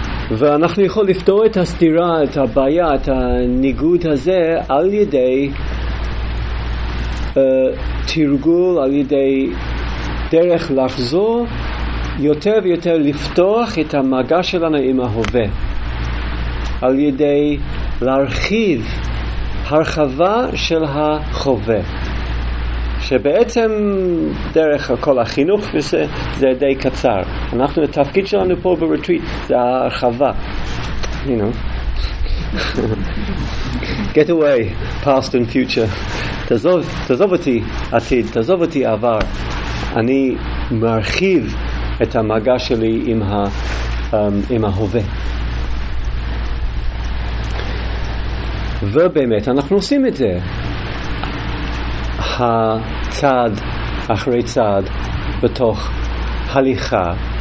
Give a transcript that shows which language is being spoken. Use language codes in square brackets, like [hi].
[he] ואנחנו יכולים לפתור את הסתירה, את הבעיה, את הניגוד הזה, על ידי תרגול, על ידי דרך לחזור יותר ויותר לפתוח את המגע שלנו עם ההווה, על ידי להרחיב הרחבה של החווה, שבעצם דרך כל החינוך זה די קצר. אנחנו, התפקיד שלנו פה ב-retreat זה הרחבה, [en] you know. Get away, past and future. [he] תעזוב אותי עתיד, תעזוב אותי עבר. אני מרחיב את המגע שלי עם ה עם ההווה. ובאמת אנחנו עושים את זה הצעד אחרי צעד בתוך הליכה.